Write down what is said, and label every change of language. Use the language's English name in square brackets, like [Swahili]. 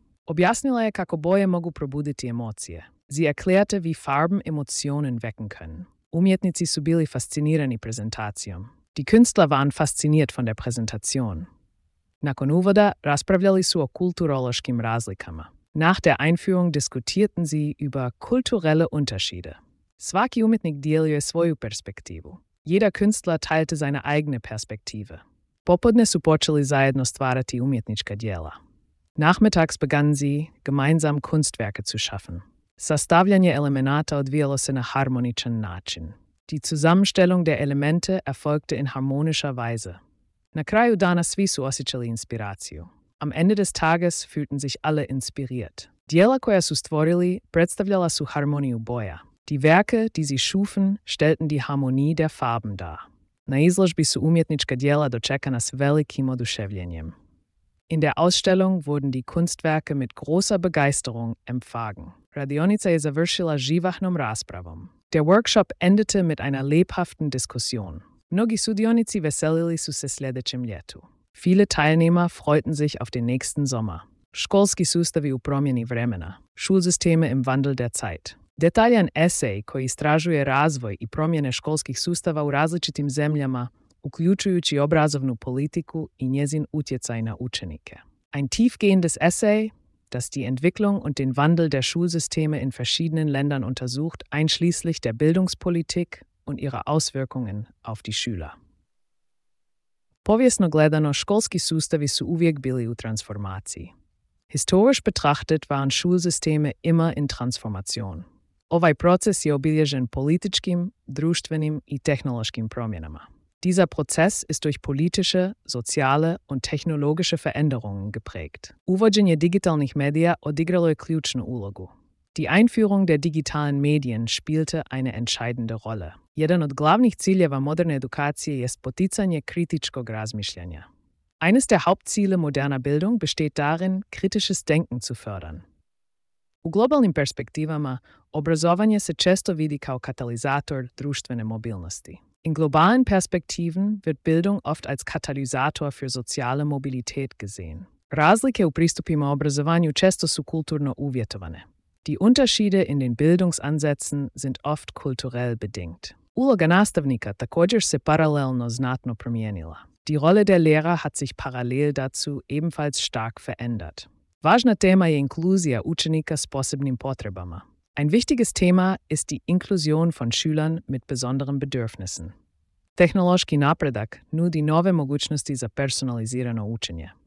[Croatian] Objasnila je kako boje mogu probuditi emocije. [German] Sie erklärte, wie Farben Emotionen wecken können. [Croatian] Umjetnici su bili fascinirani prezentacijom. [German] Die Künstler waren fasziniert von der Präsentation. [Croatian] Nakon uvoda raspravljali su o kulturološkim razlikama. [German] Nach der Einführung diskutierten sie über kulturelle Unterschiede. [Croatian] Svaki umjetnik dijelio je svoju perspektivu. [German] Jeder Künstler teilte seine eigene Perspektive. [Croatian] Popodne su počeli zajedno stvarati umjetnička djela. [German] Nachmittags begannen sie, gemeinsam Kunstwerke zu schaffen. [Croatian] Sastavljanje elemenata odvijalo se na harmoničan način. [German] Die Zusammenstellung der Elemente erfolgte in harmonischer Weise. [Croatian] Na kraju dana svi su osjećali inspiraciju. [German] Am Ende des Tages fühlten sich alle inspiriert. [Croatian] Djela koja su stvorili predstavljala su harmoniju boja. [German] Die Werke, die sie schufen, stellten die Harmonie der Farben dar. [Croatian] Na izložbi su umjetnička djela dočekana s velikim oduševljenjem. [German] In der Ausstellung wurden die Kunstwerke mit großer Begeisterung empfangen. [Croatian] Radionica je završila živahnom raspravom. [German] Der Workshop endete mit einer lebhaften Diskussion. [Croatian] Mnogi sudionici veselili su se sljedećem ljetu. [German] Viele Teilnehmer freuten sich auf den nächsten Sommer. [Croatian] Školski sustavi u promjeni vremena. [German] Schulsysteme im Wandel der Zeit. [Croatian] Detaljan esej koji istražuje razvoj i promjene školskih sustava u različitim zemljama, uključujući obrazovnu politiku i njezin utjecaj na učenike. [German] Ein tiefgehendes Essay, das die Entwicklung und den Wandel der Schulsysteme in verschiedenen Ländern untersucht, einschließlich der Bildungspolitik und ihre Auswirkungen auf die Schüler. [Croatian] Povijesno gledano, školski sustavi su uvijek bili u transformaciji. [German] Historisch betrachtet waren Schulsysteme immer in Transformation. [Croatian] Ovaj proces je obilježen političkim, društvenim i tehnološkim promjenama. [German] Dieser Prozess ist durch politische, soziale und technologische Veränderungen geprägt. [Croatian] Uvođenje digitalnih medija odigralo je ključnu ulogu. [German] Die Einführung der digitalen Medien spielte eine entscheidende Rolle. [Croatian] Jedan od glavnih ciljeva moderne edukacije jest poticanje kritičkog razmišljanja. [German] Eines der Hauptziele moderner Bildung besteht darin, kritisches Denken zu fördern. [Croatian] U globalnim perspektivama, obrazovanje se često vidi kao katalizator društvene mobilnosti. [German] In globalen Perspektiven wird Bildung oft als Katalysator für soziale Mobilität gesehen. [Croatian] Razlike u pristupima obrazovanju često su kulturno uvjetovane. [German] Die Unterschiede in den Bildungsansätzen sind oft kulturell bedingt. [Croatian] Uloga nastavnika također se paralelno znatno promijenila. [German] Die Rolle der Lehrer hat sich parallel dazu ebenfalls stark verändert. [Croatian] Važna tema je inkluzija učenika s posebnim potrebama. [German] Ein wichtiges Thema ist die Inklusion von Schülern mit besonderen Bedürfnissen. [Croatian] Technološki napredak nudi nove mogućnosti za personalizirano učenje.